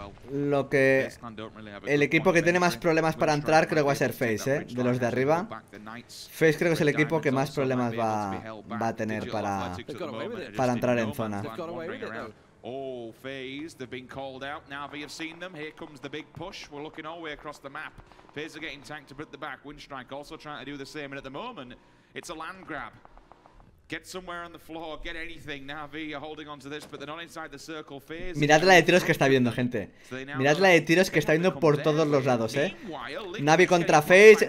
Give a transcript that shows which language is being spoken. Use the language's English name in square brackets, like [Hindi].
[Spanish] Lo que el equipo que tiene más problemas para entrar creo que va a ser FaZe, de los de arriba. FaZe creo que es el equipo que más problemas va a tener para entrar en zona. [English] Oh, FaZe, they've been called out. Na'Vi have seen them. Here comes the big push. We're looking all the way across the map. FaZe are getting tanked up at the back. Windstrike also trying to do the same. And at the moment, it's a land grab. Get somewhere on the floor. Get anything. Na'Vi are holding on to this, but they're not inside the circle. FaZe. [Spanish] Mirad la de tiros que está viendo, gente. Mirad la de tiros que está viendo por todos los lados, Na'Vi contra FaZe.